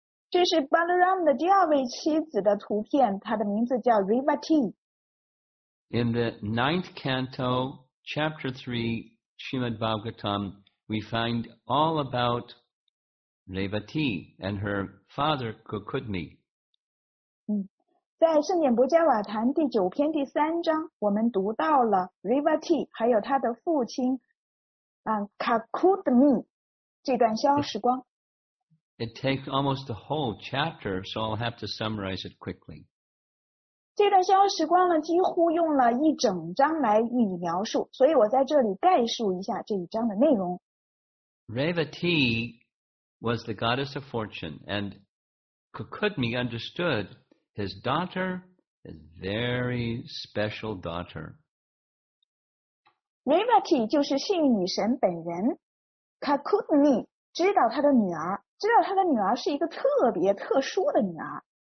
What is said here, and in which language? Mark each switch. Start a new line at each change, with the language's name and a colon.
Chinese: 这是 Balaram 的第二位妻子的图片, 她的名字叫 Revati.
English: In the ninth canto, chapter 3, Srimad Bhagavatam, we find all about Revati and her father Kukudmi.
Chinese: 在圣典博迦瓦坛第九篇第三章，我们读到了 Revati 还有她的父亲 Kakudmi, 这段消时光。
English: It takes almost a whole chapter, so I'll have to summarize it quickly.
Chinese: 这段消时光呢，几乎用了一整章来予以描述，所以我在这里概述一下这一章的内容。
English: Revati was the goddess of fortune, and Kakudmi understood his daughter, his very special daughter.
Chinese: Revati 就是幸运女神本人 Kakudmi 知道她的女儿，知道她的女儿是一个特别特殊的女儿。